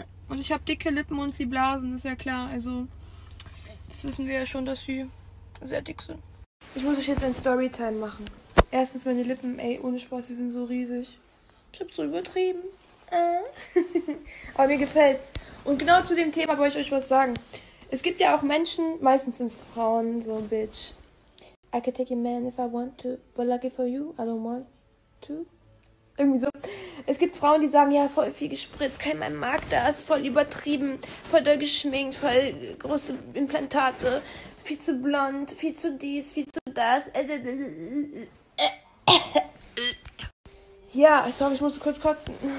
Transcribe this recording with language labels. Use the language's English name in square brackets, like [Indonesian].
[German] Und ich habe dicke Lippen und sie blasen, ist ja klar. Also, das wissen wir ja schon, dass sie sehr dick sind. Ich muss euch jetzt ein Storytime machen. Erstens meine Lippen, ey, ohne Spaß, die sind so riesig. Ich hab's so übertrieben. Aber mir gefällt's. Und genau zu dem Thema wollte ich euch was sagen. Es gibt ja auch Menschen, meistens sind es Frauen, so Bitch. [English] I can take a man if I want to, but lucky for you, I don't want to. [German] Irgendwie so. Es gibt Frauen, die sagen, ja, voll viel gespritzt, kein Mann mag das, voll übertrieben, voll doll geschminkt, voll große Implantate, viel zu blond, viel zu dies, viel zu das. Ja, sorry, ich musste kurz kotzen.